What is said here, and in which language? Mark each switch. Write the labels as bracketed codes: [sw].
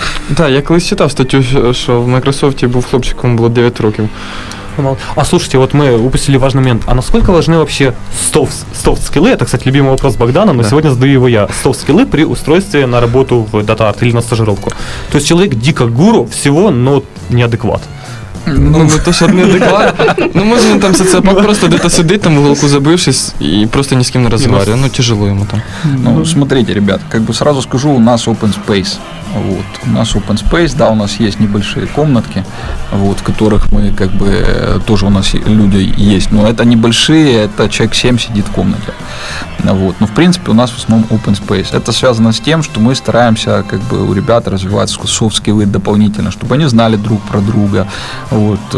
[uk] Да, я колись читав статтю, що в Microsoft був хлопчик, йому було 9 років. [ru] А слушайте, вот мы упустили важный момент. А насколько важны вообще софт-скиллы? Это, кстати, любимый вопрос Богдана, но да, сегодня задаю его я. Софт-скиллы при устройстве на работу в дата-арт или на стажировку. То есть человек дико гуру всего, но неадекват. [uk] Ну, ну то, що неадекват. Ну, може, він там соціопат просто десь сидить там в уголку забившись і просто ні з ким не розмовляє. Ну, тяжело йому там. [ru] Ну, смотрите, ребят, как бы сразу скажу, у нас open space. Вот. У нас open space, да, у нас есть небольшие комнатки, вот, в которых мы как бы тоже у нас люди есть. Но это небольшие, это человек 7 сидит в комнате. Вот. Но в принципе у нас в основном open space. Это связано с тем, что мы стараемся как бы у ребят развивать soft skills дополнительно, чтобы они знали друг про друга. Вот.